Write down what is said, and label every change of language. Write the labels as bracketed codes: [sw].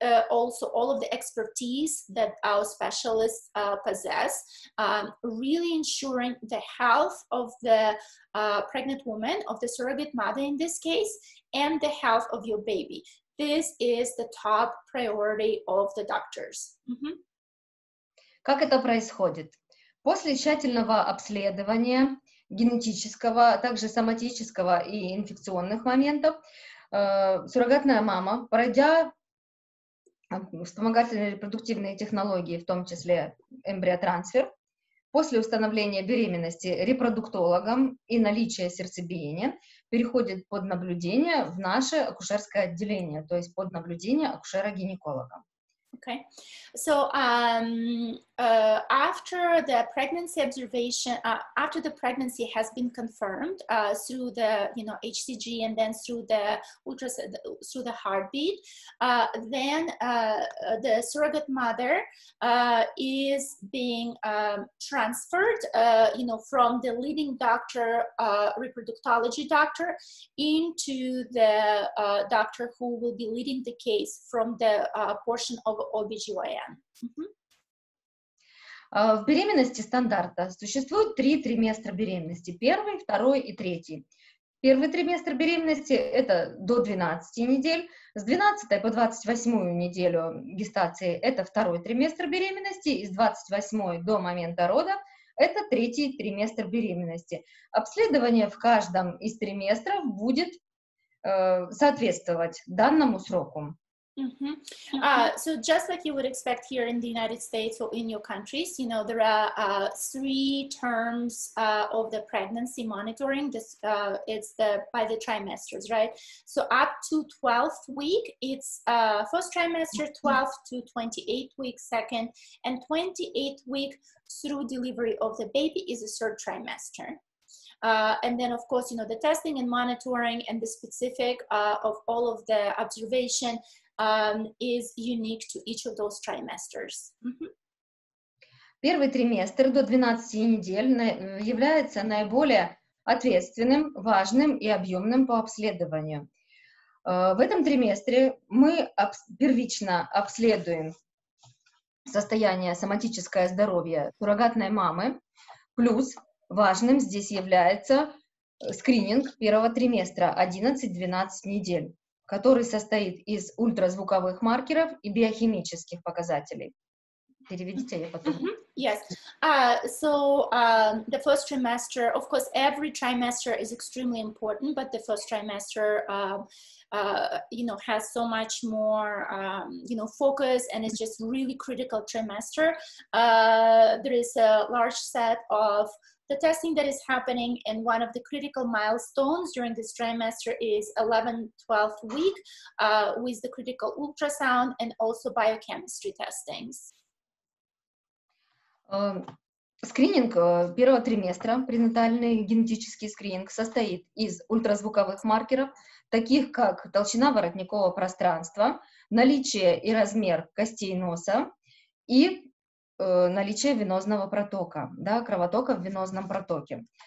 [en] Also, all of the expertise that our specialists possess, really ensuring the health of the pregnant woman, of the surrogate mother in this case, and the health of your baby. This is the top priority of the doctors. Mm-hmm. [ru] Как это происходит? После тщательного обследования генетического, также соматического и инфекционных моментов, суррогатная мама, пройдя вспомогательные репродуктивные технологии, в том числе эмбриотрансфер, после установления беременности репродуктологом и наличия сердцебиения, переходит под наблюдение в наше акушерское отделение, то есть под наблюдение акушера-гинеколога. [en] Okay, so after the pregnancy observation, after the pregnancy has been confirmed through the, you know, HCG and then through the ultrasound, through the heartbeat, then the surrogate mother is being transferred, you know, from the leading doctor, reproductology doctor, into the doctor who will be leading the case from the portion of OBGYN. Mm-hmm. [ru] В беременности стандарта существует три триместра беременности. Первый, второй и третий. Первый триместр беременности – это до 12 недель. С 12 по 28 неделю гестации – это второй триместр беременности. И с 28 до момента рода – это третий триместр беременности. Обследование в каждом из триместров будет соответствовать данному сроку. Mm-hmm. [en] So just like you would expect here in the United States or in your countries, you know, there are three terms of the pregnancy monitoring. This it's the by the trimesters, right? So up to 12th week, it's first trimester, 12th to 28th week, second, and 28th week through delivery of the baby is the third trimester. And then, of course, you know, the testing and monitoring and the specific of all of the observation is unique to each of those trimesters. Mm-hmm. [ru] Первый триместр до 12 недель является наиболее ответственным, важным и объемным по обследованию. В этом триместре мы первично обследуем состояние соматическое здоровье суррогатной мамы, плюс важным здесь является скрининг первого триместра 11-12 недель, который состоит из ультразвуковых маркеров и биохимических показателей. Переведите, я потом. Mm-hmm. [en] Yes. The first trimester, of course, every trimester is extremely important, but the first trimester, has so much more, focus, and it's just really critical trimester. There is a large set of the testing that is happening, and one of the critical milestones during this trimester is 11-12 week with the critical ultrasound and also biochemistry testings. [ru] Скрининг первого триместра, пренатальный генетический скрининг, состоит из ультразвуковых маркеров, таких как толщина воротникового пространства, наличие и размер костей носа и наличие венозного протока, да, кровотока в венозном протоке.